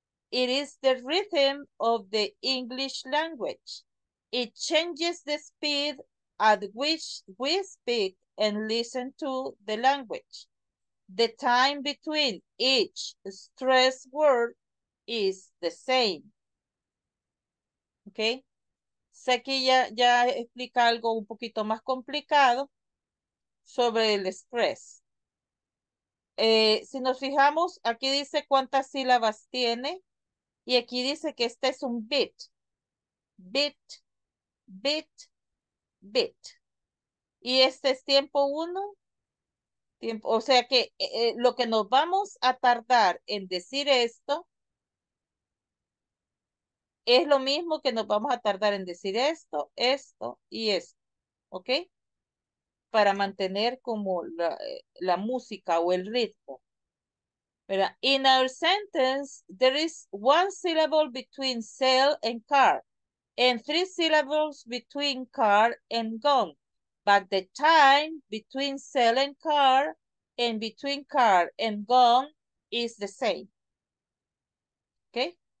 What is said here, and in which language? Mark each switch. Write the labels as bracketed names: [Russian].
[English] It is the rhythm of the English language. It changes the speed at which we speak and listen to the language. The time between each stress word is the same. Okay? [Spanish] Sé que ya explica algo un poquito más complicado sobre el stress. Si nos fijamos, aquí dice cuántas sílabas tiene. Y aquí dice que este es un bit. Bit, bit, bit. Y este es tiempo uno. Tiempo, o sea que lo que nos vamos a tardar en decir esto es lo mismo que nos vamos a tardar en decir esto, esto y esto. ¿Ok? Para mantener como la música o el ritmo. ¿Verdad? [English] In our sentence, there is one syllable between sell and car, and three syllables between car and gone. But the time between sell and car, and between car and gone, is the same. Okay?